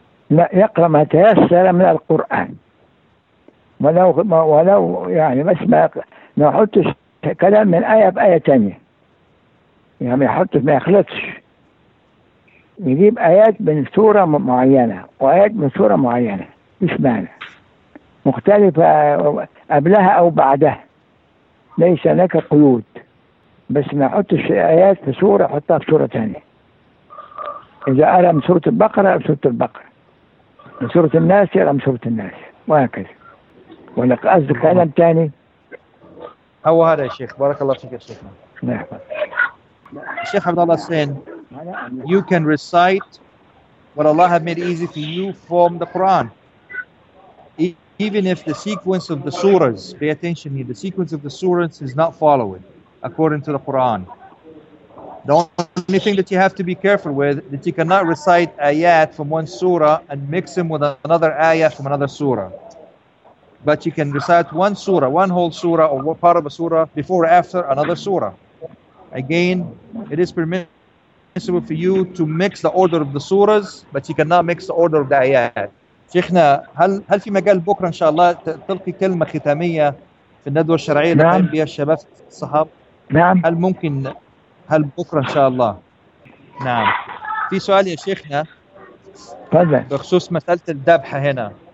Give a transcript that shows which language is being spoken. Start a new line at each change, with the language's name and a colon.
Arabic: لا, يقرأ ما تيسر من القرآن, ولو يعني بس ما نحطش كلام من آية بآية تانية, يعني ما يحطش ما يخلطش, يجيب آيات من سورة معينة وآيات من سورة معينة بسمانة مختلفة قبلها أو بعدها, ليس هناك قيود, بس ما حطش آيات في سورة حطها في سورة تانية. إذا قرأ من سورة البقرة أو سورة البقرة, من سورة الناس يقرأ من سورة الناس وهكذا. ولك قصد كلام تاني هو هذا يا شيخ, بارك الله فيك يا شيخ. نعم
English: شيخ عبد الله السين, you can recite what Allah has made easy to you from the Quran, even if the sequence of the surahs, pay attention here, the sequence of the surahs is not following according to the Quran. The only thing that you have to be careful with is that you cannot recite ayat from one surah and mix them with another ayat from another surah. But you can recite one surah, one whole surah or one part of a surah before or after another surah. Again, it is permitted for you to mix the order of the surahs, but you cannot mix the order of the ayat.
Arabic: شيخنا, هل في مجال بكرة إن شاء الله تلقي كلمة ختامية في الندوة الشرعية لقائم بها الشباب الصحاب؟ نعم. هل ممكن, هل بكرة إن شاء الله؟ نعم. في سؤال يا شيخنا بخصوص مسألة الذبح هنا.